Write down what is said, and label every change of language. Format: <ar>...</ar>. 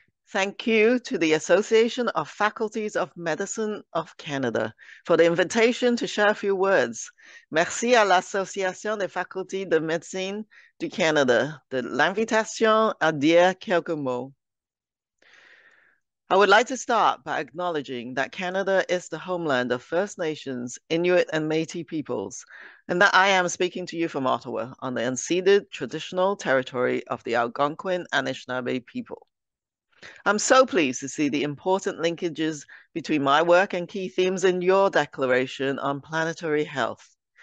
<en>Thank you to the Association of Faculties of Medicine of Canada for the invitation to share a few words.</en> <fr>Merci à l'Association des Facultés de Médecine du Canada de l'invitation à dire quelques mots.</fr> <en>I would like to start by acknowledging that Canada is the homeland of First Nations, Inuit, and Métis peoples, and that I am speaking to you from Ottawa on the unceded traditional territory of the Algonquin Anishinaabe people. I'm so pleased to see the important linkages between my work and key themes in your declaration on planetary health.</en>